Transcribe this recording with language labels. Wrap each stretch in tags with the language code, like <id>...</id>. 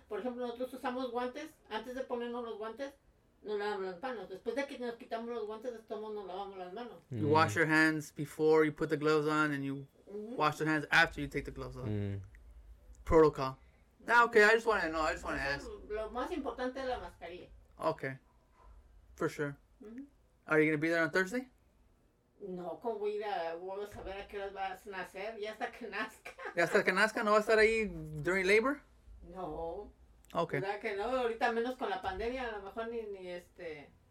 <es>Por ejemplo, nosotros usamos guantes. Antes de ponernos los guantes, no lavamos las manos. Después de que nos quitamos los guantes, estamos no lavamos las manos.</es> <en>You wash your hands before you put the gloves on, and you wash your hands after you take the gloves off. Protocol. Ah, okay. I just want to know. I just want to ask.</en> <es>Lo más importante es la mascarilla.</es> <en>Okay. For sure. Mm-hmm. Are you going to be there on Thursday?</en> <es>No, con vida. Voy a saber a qué hora vas a nacer. Ya hasta que nazca. Ya hasta que nazca. ¿No vas a estar ahí</es> <en>during labor?</en> <es>No.</es> <en>Okay.</en> <es>¿Verdad que no? Ahorita menos con la pandemia. A lo mejor ni este...</es>